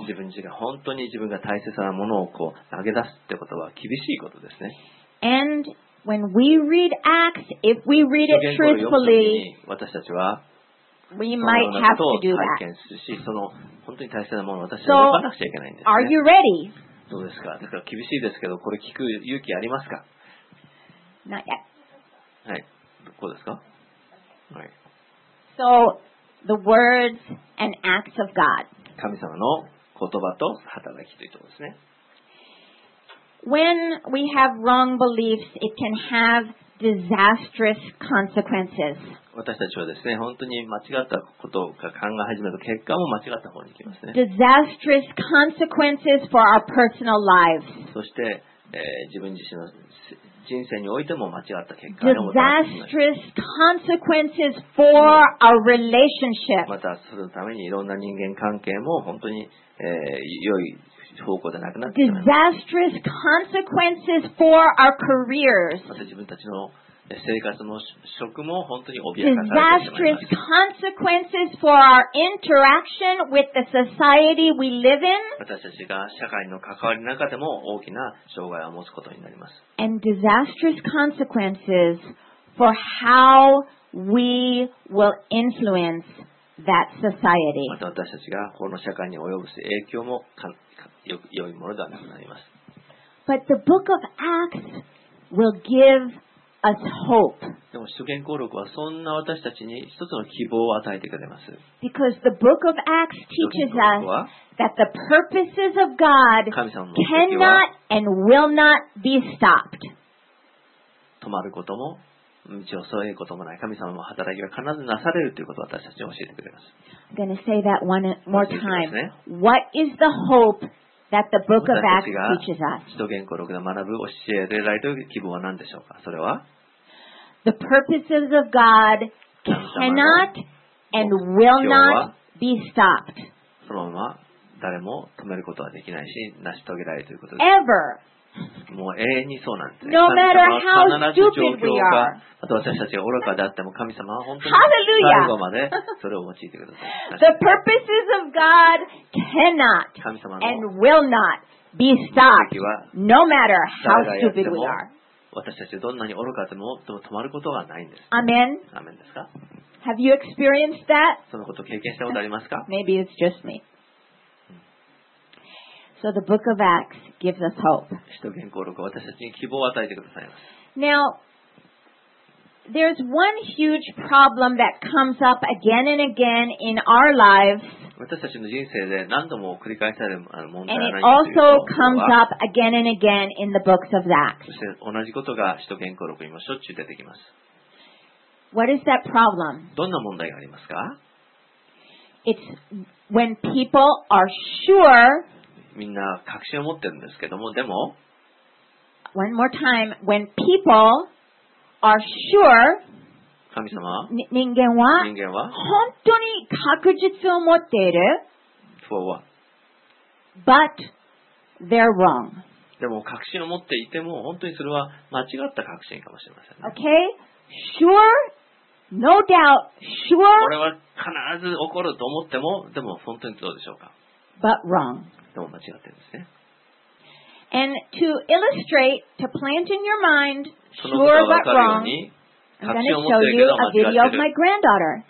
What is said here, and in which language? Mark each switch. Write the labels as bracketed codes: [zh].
[ja] 自分自身が本当に自分が大切なものをこう投げ出すってことは厳しいことですね。 [en] And when we read Acts, if we read it truthfully, [ja] 私たちは、 [en] we might have to do that. [ja] 体験するし、その本当に大切なものを私たちは分からなくちゃいけないんですね。 [en] So, are you ready? [ja] どうですか？だから厳しいですけど、これ聞く勇気ありますか？ [en] Not yet. [ja] はい。こうですか？はい。 [en] So, the words and acts of God. [ja] 神様の言葉と働きというところですね。 [en] When we have wrong beliefs, it can have disastrous consequences. [ja] 私たちはですね、本当に間違ったことが考え始めると結果も間違った方に行きますね。 [en] Disastrous consequences for our personal lives. [ja] そして、自分自身の人生においても間違った結果を持たれます。 [en] Disastrous consequences for our relationship. [ja] またそのためにいろんな人間関係も本当に、良い。方向でなくなってしまいます。 [en] Disastrous consequences for our careers. [ja] また自分たちの生活も職も本当に脅かされてしまいます。 [en] Disastrous consequences for our interaction with the society we live in. [ja] 私たちが社会の関わりの中でも大きな障害を持つことになります。 [en] And disastrous consequences for how we will influence that society. [ja] また私たちがこの社会に及ぶ影響も良いものではなくなります。 [en] But the book of Acts will give us hope. [ja] でも使徒言行録はそんな私たちに一つの希望を与えてくれます。 [en] Because the book of Acts teaches us that the purposes of God cannot and will not be stopped. [ja] 止まることも道を揃えることもない神様の働きは必ずなされるということを私たちに教えてくれます。 [en] I'm going to say that one more time. What is the hope? That the book of Acts teaches us. [ja] 使徒言行録で学ぶ教えられる希望は何でしょうか。それは、 [en] The purposes of God cannot and will not be stopped. [ja] そのまま誰も止めることはできないし、成し遂げられるということです。 [en] Ever [ja] もう永遠にそうなんです [en] ね。No matter how stupid we are. [ja] あと私たちが愚かであっても神様は本当に最後までそれを用いてください。 [en] The purposes of God cannot and will not be stopped, no matter how stupid we are. [ja] 私たちがどんなに愚かでも止まることはないんです。 [en] Amen. [ja] Amen ですか? [en] Have you experienced that? [ja] そのことを経験したことありますか? [en] Maybe it's just me. So the book of Acts gives us hope. [ja] 使徒行伝録は私たちに希望を与えてくださいます。 [en] Now,There's one huge problem that comes up again and again in our lives. [ja] 私たちの人生で何度も繰り返される問題ないというのは、 [en] and it also comes up again and again in the books of Acts. [ja] そして同じことが使徒行伝録にもしょっちゅう出てきます。 [en] What is that problem? [ja] どんな問題がありますか? [en] It's when people are sure. [ja] みんな確信を持ってるんですけども、でも、 [en] one more time, when people. Are sure, [ja] 神様は人間は人間は本当に確実を持っている [en] For what? But they're wrong. [ja] でも確信を持っていても本当にそれは間違った確信かもしれません、ね、 [en] Okay? Sure? No doubt? Sure? [ja] これは必ず起こると思ってもでも本当にどうでしょうか [en] But wrong. [ja] でも間違ってるんですね [en] And to illustrate, to plant in your mind, sure but wrong, I'm going to show you a video of my granddaughter.